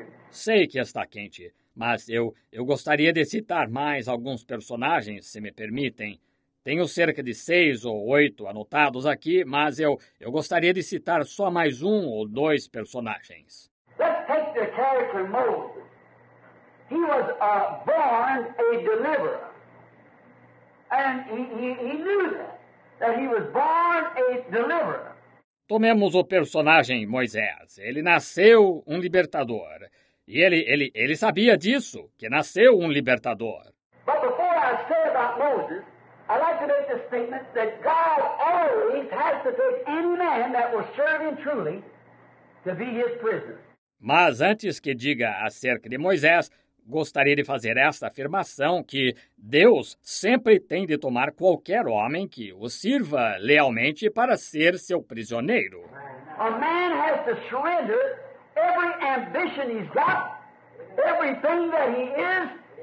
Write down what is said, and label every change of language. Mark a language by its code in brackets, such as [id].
[pt] Sei que está quente, mas eu gostaria de citar mais alguns personagens, se me permitem. Tenho cerca de 6 ou 8 anotados aqui, mas eu gostaria de citar só mais 1 ou 2 personagens. [en] Let's take the character Moses. He was born a deliverer. And he knew that he was born a deliverer. [pt] Tomemos o personagem Moisés. Ele nasceu um libertador. E ele sabia disso, que nasceu um libertador. [en] But before I say about Moses, I'd like to make the statement that God always has to take any man that will serve him truly to be his prisoner. [pt] Mas antes que diga acerca de Moisés, gostaria de fazer esta afirmação que Deus sempre tem de tomar qualquer homem que o sirva lealmente para ser seu prisioneiro. [en] A man has to surrender every ambition he's got, everything that he is.